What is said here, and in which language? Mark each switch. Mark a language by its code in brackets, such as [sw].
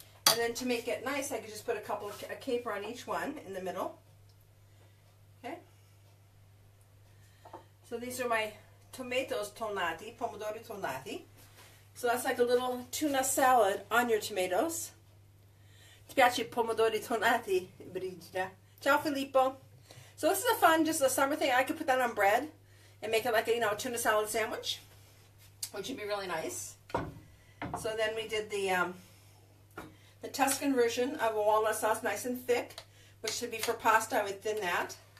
[en] And then to make it nice, I could just put a couple of a caper on each one in the middle. Okay. So these are my tomatoes tonnati, pomodori tonnati. So that's like a little tuna salad on your tomatoes. [it] Ti piace pomodori tonnati, Brigida? Ciao, Filippo. [en] So this is a fun, just a summer thing. I could put that on bread and make it like a, you know, tuna salad sandwich, which would be really nice. So then we did the Tuscan version of a walnut sauce, nice and thick, which should be for pasta. I would thin that.